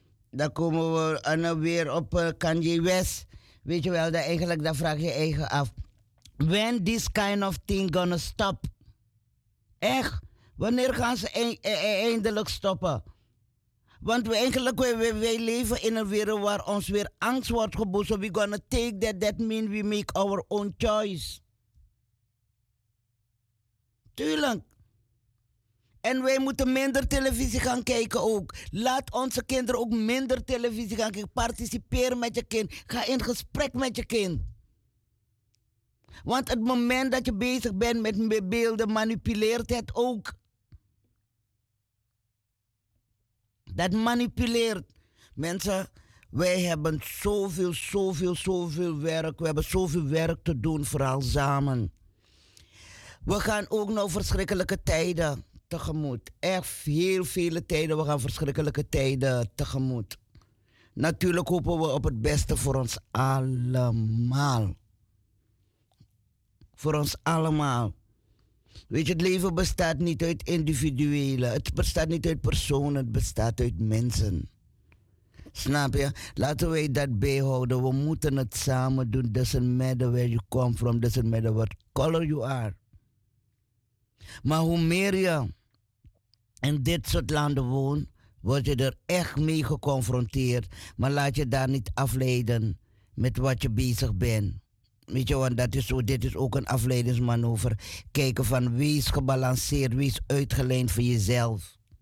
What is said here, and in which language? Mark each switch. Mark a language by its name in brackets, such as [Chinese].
[Dutch] dan komen we weer op Kanye West. Weet je wel, dan eigenlijk, dan vraag je eigen af. [English] When this kind of thing gonna stop? [Dutch] Echt? Wanneer gaan ze eindelijk stoppen? Want we eigenlijk, wij leven in een wereld waar ons weer angst wordt geboden. [English] So we gonna take that, that mean we make our own choice. [Dutch] Tuurlijk. En wij moeten minder televisie gaan kijken ook. Laat onze kinderen ook minder televisie gaan kijken. Participeer met je kind. Ga in gesprek met je kind. Want het moment dat je bezig bent met beelden, manipuleert het ook. Dat manipuleert. Mensen, wij hebben zoveel werk. We hebben zoveel werk te doen, vooral samen. We gaan ook nog verschrikkelijke tijden tegemoet. Echt heel vele tijden. We gaan verschrikkelijke tijden tegemoet. Natuurlijk hopen we op het beste voor ons allemaal. Voor ons allemaal. Weet je, het leven bestaat niet uit individuelen. Het bestaat niet uit personen. Het bestaat uit mensen. Snap je? Laten wij dat bijhouden. We moeten het samen doen. [English] Doesn't matter where you come from. Doesn't matter what color you are. [Dutch] Maar hoe meer je in dit soort landen woont, word je er echt mee geconfronteerd. Maar laat je daar niet afleiden met wat je bezig bent. Weet je, want dat is zo, dit is ook een afleidingsmanoeuvre. Kijken van wie is gebalanceerd, wie is uitgeleend voor jezelf.